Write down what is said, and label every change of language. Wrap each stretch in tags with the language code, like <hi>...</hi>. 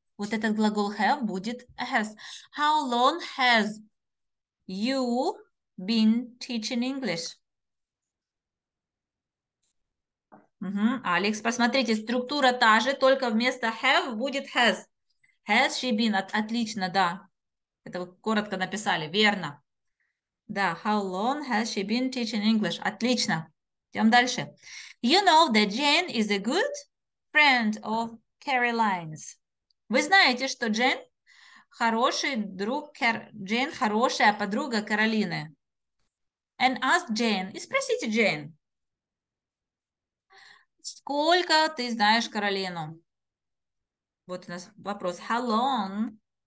<ru>Вот этот глагол have будет has.</ru> <en>How long has you been teaching English?</en> <ru>Алекс, посмотрите, структура та же, только вместо have будет has.</ru> <en>Has she been?</en> <ru>Отлично, да. Это вы коротко написали, верно. Да,</ru> <en>how long has she been teaching English?</en> <ru>Отлично. Идем дальше.</ru> <en>You know that Jane is a good friend of Caroline's.</en> <ru>Вы знаете, что Джейн хороший друг, Джейн хорошая подруга Каролины.</ru> <en>And ask Jane,</en> <ru>и спросите Джейн. Сколько ты знаешь Каролину? Вот у нас вопрос.</ru> <en>How long?</en>